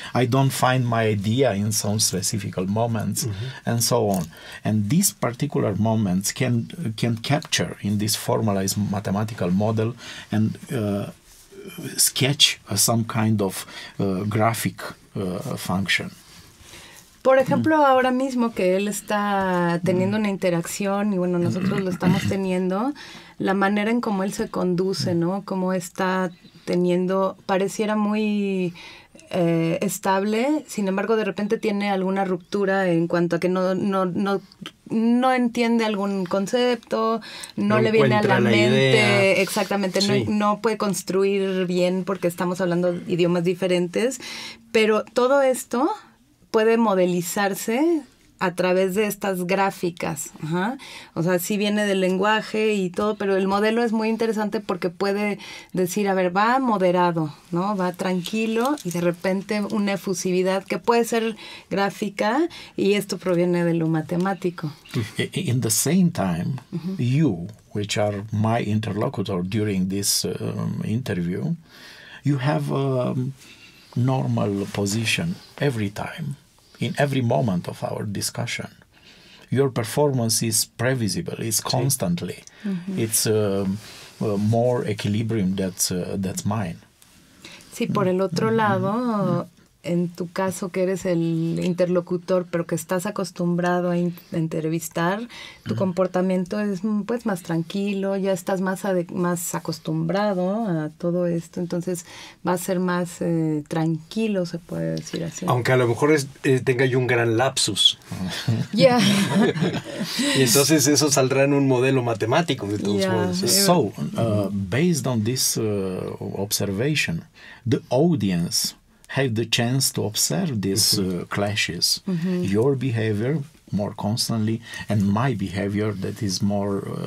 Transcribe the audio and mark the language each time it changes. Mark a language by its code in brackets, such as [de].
[en] I don't find my idea in some specific moments, mm-hmm. and so on. And these particular moments can capture in this formalized mathematical model and sketch some kind of graphic function. [es] Por ejemplo, ahora mismo que él está teniendo una interacción y bueno, nosotros lo estamos teniendo, la manera en cómo él se conduce, ¿no? Cómo está teniendo, pareciera muy estable, sin embargo, de repente tiene alguna ruptura en cuanto a que no entiende algún concepto, no le viene a la mente, idea. Exactamente, sí. no puede construir bien porque estamos hablando de idiomas diferentes, pero todo esto... puede modelizarse a través de estas gráficas. Ajá. O sea, sí viene del lenguaje y todo, pero el modelo es muy interesante porque puede decir, a ver, va moderado, ¿no? Va tranquilo y de repente una efusividad que puede ser gráfica y esto proviene de lo matemático. [en] In the same time, uh-huh. you, which are my interlocutor during this interview, you have... normal position every time, in every moment of our discussion. Your performance is previsible, it's constantly. Mm-hmm. It's more equilibrium that's mine. [es] Sí, por el otro mm-hmm. lado, mm-hmm. en tu caso que eres el interlocutor, pero que estás acostumbrado a entrevistar, tu mm-hmm. comportamiento es pues más tranquilo, ya estás más acostumbrado a todo esto, entonces va a ser más tranquilo, se puede decir así. Aunque a lo mejor tenga yo un gran lapsus. Ya. Yeah. Y entonces eso saldrá en un modelo matemático de todos modos. [en] Yeah. So, based on this observation, the audience have the chance to observe these mm-hmm. Clashes. Mm-hmm. Your behavior more constantly and my behavior that is more...